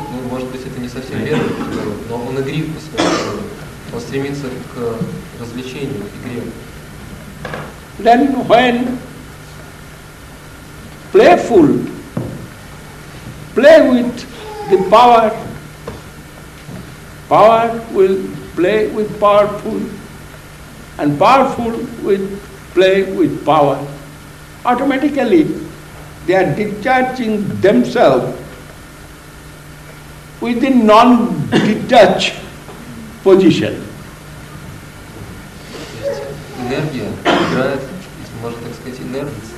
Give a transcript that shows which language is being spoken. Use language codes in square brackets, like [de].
[ru] Ну, может быть, это не совсем верно, но он игрив по своей природе. Он стремится к развлечению, к игре. [en] Then when playful, play with the power, power will play with powerful, and powerful will play with power. Automatically, they are discharging themselves within non-detached position. [ru] Энергия играет, если можно так сказать, энергия.